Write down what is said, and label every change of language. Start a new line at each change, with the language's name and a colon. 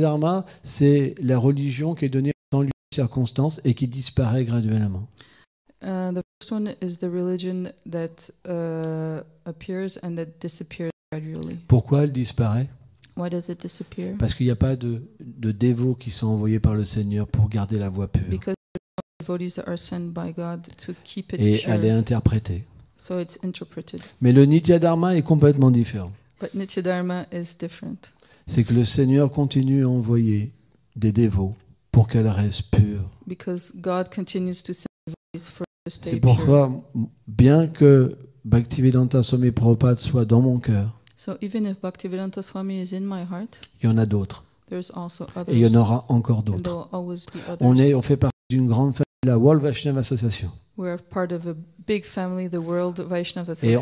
French: Dharma, c'est la religion qui est donnée dans les circonstances et qui disparaît graduellement.
English: The first one is the religion that appears and that disappears gradually.
French: Pourquoi elle disparaît?
English: Why does it disappear?
French: Parce qu'il n'y a pas de dévots qui sont envoyés par le Seigneur pour garder la voie pure.
English: Because there are no devotees that are sent by God to keep it pure.
French: Et elle est interprétée.
English: So it's interpreted.
French: Mais le Nitya Dharma est complètement différent.
English: But Nitya Dharma is different.
French: C'est que le Seigneur continue à envoyer des dévots pour qu'elle reste pure.
English: Because God continues to send devotees for to stay pure.
French: C'est pourquoi, bien que Bhaktivedanta Swami Prabhupada soit dans mon cœur,
English: so even if Bhaktivedanta Swami is in my heart,
French: il y en a d'autres.
English: There's also others.
French: Et il y en aura encore d'autres.
English: And there'll always be others.
French: On fait partie d'une grande famille, la World Vaishnava Association.
English: We're part of a big family, the World Vaishnava Association.